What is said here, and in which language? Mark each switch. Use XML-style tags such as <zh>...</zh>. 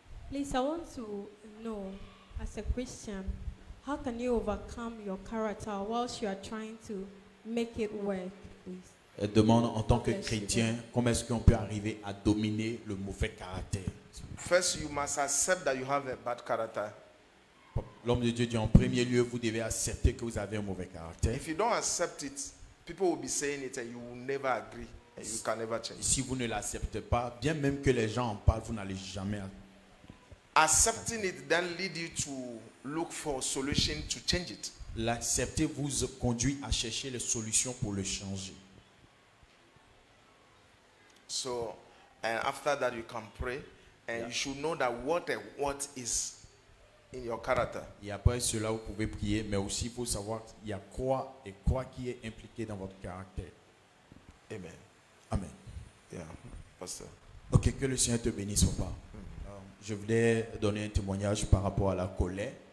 <en>Please, I want to know, as a Christian, how can you overcome your character whilst you are trying to make it work, please?</en> <fr>Elle demande en tant que chrétien comment est-ce qu'on peut arriver à dominer le mauvais caractère.</fr> <en>First, you must accept that you have a bad character.</en> <fr>L'homme de Dieu dit en premier lieu, vous devez accepter que vous avez un mauvais caractère.</fr> <en>If you don't accept it, people will be saying it and you will never agree and you can never change.</en> <fr>Si vous ne l'acceptez pas, bien même que les gens en parlent, vous n'allez jamais.</fr> <en>Accepting it then lead you to look for solution to change it.</en> <fr>L'accepter vous conduit à chercher les solutions pour le changer.</fr> <en>So, and after that you can pray, and yeah, you should know that what is in your character.</en> <fr>Et après cela, vous pouvez prier, mais aussi il faut savoir il y a quoi et quoi qui est impliqué dans votre caractère. Amen. Amen.</fr> <en>Yeah, pastor.</en> <fr>Ok, que le Seigneur te bénisse, papa. Je voulais donner un témoignage par rapport à la colère.</fr>